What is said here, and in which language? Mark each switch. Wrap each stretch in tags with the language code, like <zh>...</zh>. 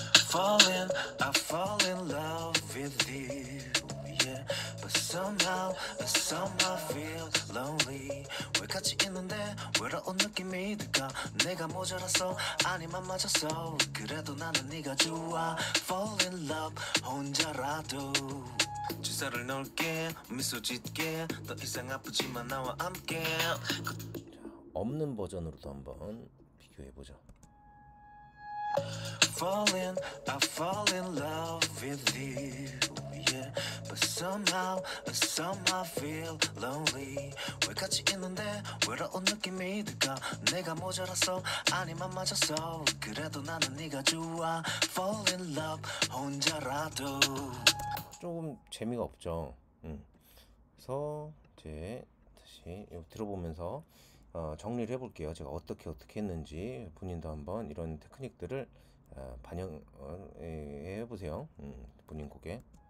<en>Fall in, I fall in love with you, yeah. But somehow, somehow feel lonely.</en> <ko>왜 같이 있는데 외로운 느낌이 들까? 내가 모자라서 아니면 맞았어. 그래도 나는 네가 좋아.</ko> <en>Fall in love,</en> <ko>혼자라도. 주사를 넣을게, 미소 짓게. 더 이상 아프지만 나와 함께. 없는 버전으로도 한번 비교해 보죠.</ko> <en>Fall in, I fall in love with you, yeah. But somehow, somehow feel lonely.</en> <ko>왜 같이 있는데 외로운 느낌이 들까? 내가 모자라서 아니면 맞았어. 그래도 나는 네가 좋아.</ko> <en>Fall in love,</en> <ko>혼자라도. 조금 재미가 없죠. 그래서 이제 다시 들어보면서 정리를 해볼게요. 제가 어떻게 했는지 본인도 한번 이런 테크닉들을 반영 해보세요. 본인 곡에.</ko>